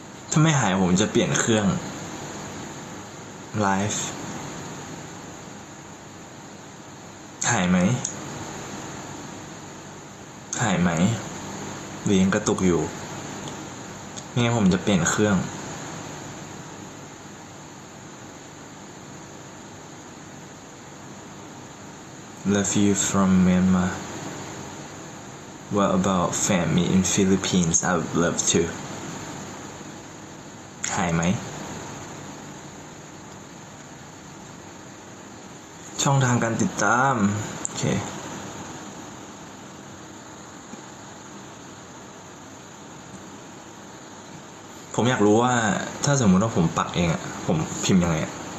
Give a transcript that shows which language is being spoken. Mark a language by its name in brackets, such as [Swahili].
[Thai] ถ้าไม่หายผมจะเปลี่ยนเครื่องไลฟ์หายไหมหายไหมหรือยังกระตุกอยู่ไม่งั้นผมจะเปลี่ยนเครื่อง [English] Love you from Myanmar. What about family in Philippines? I would love to. [Thai] หายไหมช่องทางการติดตามผมอยากรู้ว่าถ้าสมมติว่าผมปักเองอะผมพิมพ์ยังไงอะ